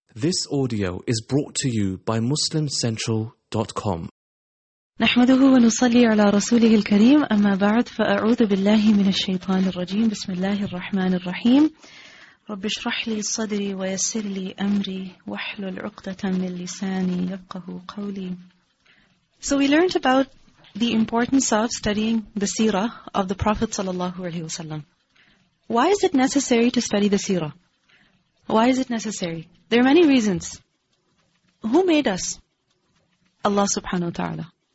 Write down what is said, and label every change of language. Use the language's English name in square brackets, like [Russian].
[English] This audio is brought to you by MuslimCentral.com. [Arabic] نحمده ونصلي على رسوله الكريم أما بعد فأعوذ بالله من الشيطان الرجيم بسم الله الرحمن الرحيم رب اشرح لي صدري ويسر لي أمري واحلل عقدة من لساني يفقهوا قولي. [English] So we learned about the importance of studying the seerah of the Prophet صلى الله عليه وسلم. Why is it necessary to study the seerah? Why is it necessary? There are many reasons. Who made us? Allah subhanahu wa ta'ala.